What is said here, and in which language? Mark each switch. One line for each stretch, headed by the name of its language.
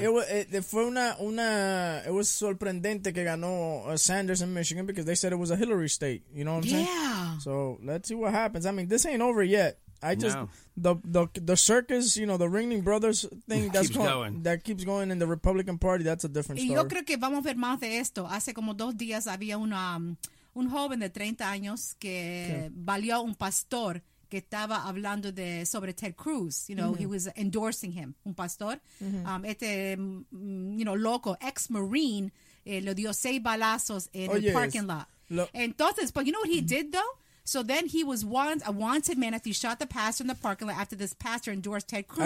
English: Sí, it was
Spanish: sorprendente que ganó
English: Sanders in Michigan because they said it was a Hillary state. You know what I'm saying? Yeah. So let's see what happens. I mean, this ain't over yet. The circus, you know, the Ringling Brothers thing that keeps going in the Republican Party, that's a different story.
Spanish: Yo creo que vamos a ver más de esto. Hace como 2 días había un joven de 30 años que valió un pastor que estaba hablando sobre Ted Cruz.
English: You know, mm-hmm. He was endorsing him,
Spanish: un pastor.
English: Mm-hmm.
Spanish: You know, loco, ex-Marine, le dio 6 balazos en el parking lot.
English: Entonces, but you know what he did, though? So then he was a wanted man after he shot the pastor in the parking lot after this pastor endorsed Ted Cruz.